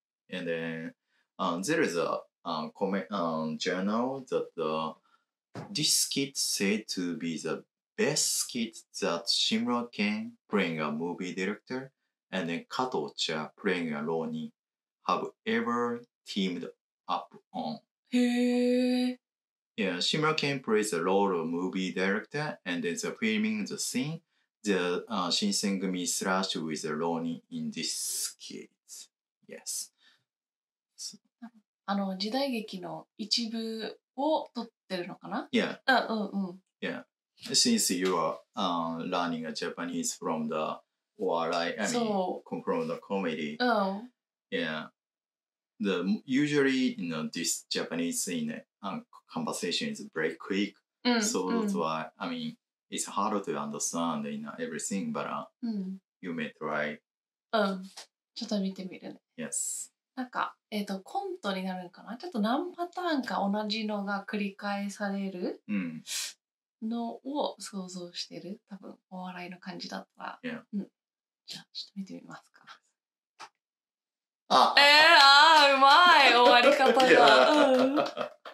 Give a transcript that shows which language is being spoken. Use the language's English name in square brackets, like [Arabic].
[English] And then there is a journal that this skit said to be the best skit that Shimura Ken playing a movie director and then Kato Cha playing a Ronin have ever teamed up on. Hey. Yeah, Shimura Ken plays the role of movie director and then the filming the scene, the Shinsengumi slash with the Ronin in this skit. Yes. [Japanese] あの時代劇の一部を撮ってるのかな [English] Yeah. Yeah. Since you are learning Japanese from the お笑い, from the comedy. The, usually, you know, this Japanese in conversation is very quick. So that's why, I mean, it's hard to understand in everything, but you may try. [Japanese] ちょっと見てみるね。 [English] Yes. [Japanese] なんか、コントになるんかな?ちょっと何パターンか同じのが繰り返されるのを想像してる。多分、お笑いの感じだったら。 [English] Yeah. [Japanese] じゃあ、ちょっと見てみますか。うまい終わり方が。